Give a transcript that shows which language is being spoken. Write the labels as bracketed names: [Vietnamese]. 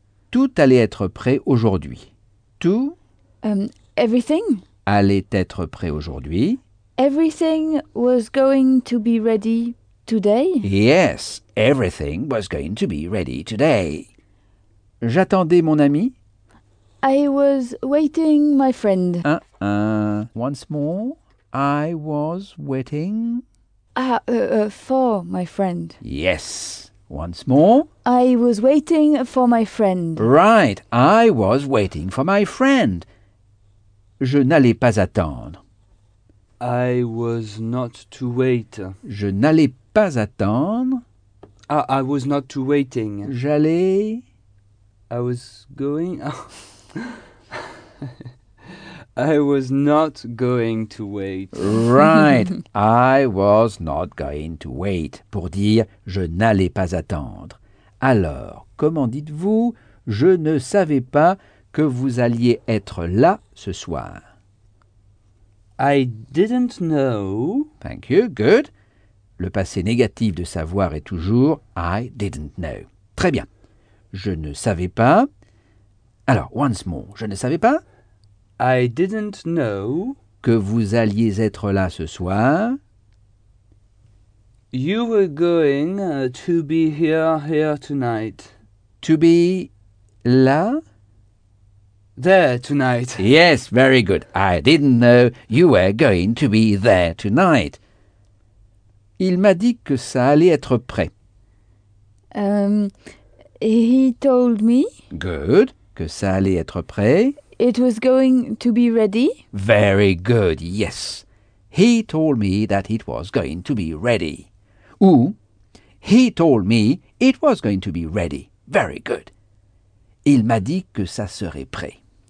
[French] Tout allait être prêt aujourd'hui. Tout [English] Everything. [French] allait être prêt aujourd'hui. [English] Everything was going to be ready today. Yes, everything was going to be ready today. [French] J'attendais mon ami. [English] I was waiting my friend. Once more, I was waiting. For my friend. Yes, once more. I was waiting for my friend. Right, I was waiting for my friend. [French] Je n'allais pas attendre. [English] I was not to wait. [French] Je n'allais pas attendre. [English] I was not to waiting. [French] J'allais. [English] I was going. I was not going to Right, I was not going to wait [French] pour dire je n'allais pas attendre. Alors, comment dites-vous, je ne savais pas que vous alliez être là ce soir. [English] wait. I didn't know. Thank you, good. [French] Le passé négatif de savoir est toujours [English] I didn't know. [French] Très bien. Je ne savais pas. Alors, [English] once more, [French] je ne savais pas [English] I didn't know. [French] que vous alliez être là ce soir. [English] You were going to be here tonight. To be là? There tonight. Yes, very good. I didn't know you were going to be there tonight. [French] Il m'a dit que ça allait être prêt. [English] He told me. Good. [French] Que ça allait être prêt. [English] It was going to be ready. Very good, yes. He told me that it was going to be ready. Ou, he told me it was going to be ready. Very good. [French] Il m'a dit que ça serait prêt.